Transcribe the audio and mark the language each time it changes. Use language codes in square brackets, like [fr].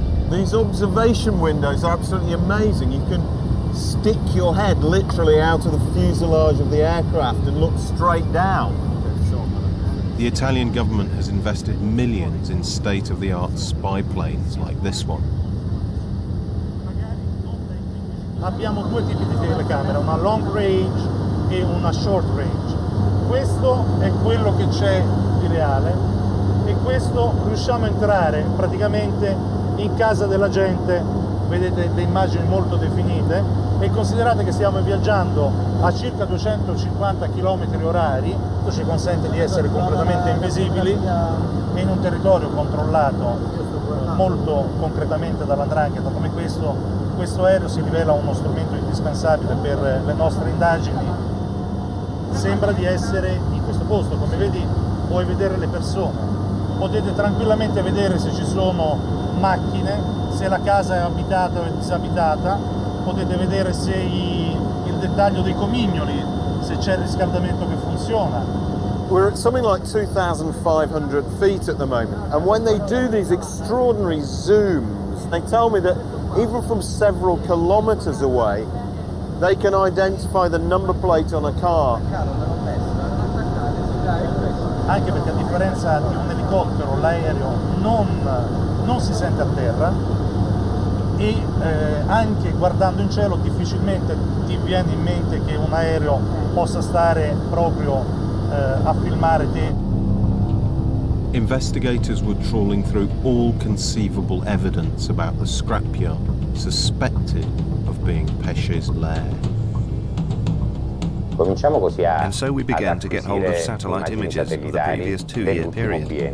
[en] These observation windows are absolutely amazing. You can stick your head literally out of the fuselage of the aircraft and look straight down. The Italian government has invested millions in state-of-the-art spy planes like this one. [it] Abbiamo due tipi di telecamera, una long range e una short range. Questo è quello che c'è di reale e questo riusciamo a entrare praticamente in casa della gente. Vedete le immagini molto definite e considerate che stiamo viaggiando a circa 250 km orari, questo ci consente di essere completamente invisibili in un territorio controllato molto concretamente dalla 'Ndrangheta. Come questo, questo aereo si rivela uno strumento indispensabile per le nostre indagini. Sembra di essere in questo posto, come vedi puoi vedere le persone, potete tranquillamente vedere se ci sono macchine, se la casa è abitata o è disabitata, potete vedere se il dettaglio dei comignoli, se c'è il riscaldamento che funziona. [en] We're at something like 2,500 feet at the moment, and when they do these extraordinary zooms, they tell me that even from several kilometers away, they can identify the number plate on a car. [it] Anche perché a differenza di un elicottero, l'aereo non si sente a terra e anche guardando in cielo difficilmente ti viene in mente che un aereo possa stare proprio a filmare te. [en] Investigators were trawling through all conceivable evidence about the scrapyard suspected of being Pesce's lair. And so we began to get hold of satellite images of the previous two-year period.